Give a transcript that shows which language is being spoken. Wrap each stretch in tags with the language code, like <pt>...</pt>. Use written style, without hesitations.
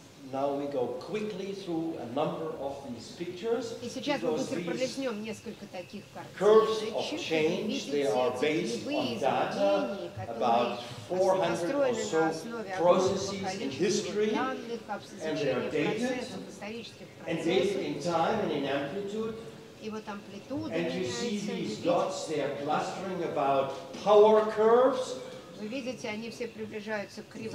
<en>Now we go quickly through a number of these pictures.</en> <ru>И сейчас мы быстро пролистнем несколько таких картин.</ru> <en>Curves of change, they are based on data about 400 or so processes in history, and they are dated in time and in amplitude.</en> <ru>И вот амплитуда.</ru> <en>And you see these dots, they are clustering about power curves.</en> <ru>Вы видите, они все приближаются к кривым.</ru>